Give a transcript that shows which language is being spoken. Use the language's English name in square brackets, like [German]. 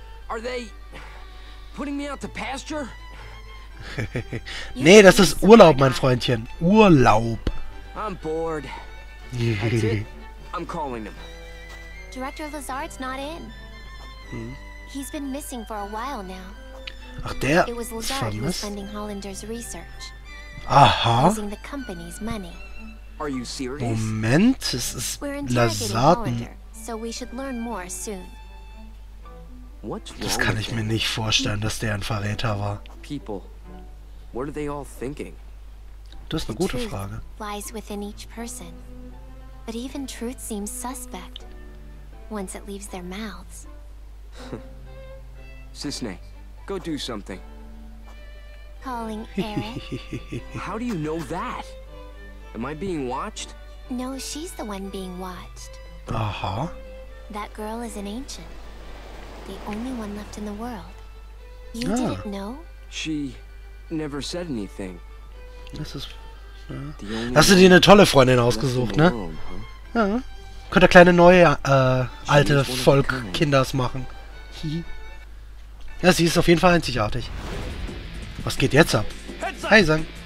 [English] Are they putting me out to pasture? [German] Nee, das ist Urlaub, mein Freundchen. Urlaub. [English] I'm bored. That's it. I'm calling them. Director Lazard's not in. He's been missing for a while now. [German] Ach, der. [English] It was Lazard who was funding Hollander's research. Aha. Using the company's money. Are you serious? [German] Moment, es ist Lazard. [English] So we should learn more soon. [German] Das kann ich mir nicht vorstellen, dass der ein Verräter war. [English] People, what are they all thinking? [German] Das ist eine gute Frage. [English] Lies within each person, but even truth seems suspect. once it leaves their mouths. Sisne, go do something. Calling Eric? How do you know that? Am I being watched? No, she's the one being watched. Uh-huh. That girl is an ancient. The only one left in the world. You didn't know? She never said anything. This is... [German] Hast du dir eine tolle Freundin ausgesucht, ne? Ja. Könnte kleine neue, alte Volk-Kinders machen. Ja, sie ist auf jeden Fall einzigartig. Was geht jetzt ab? Hey, Sang.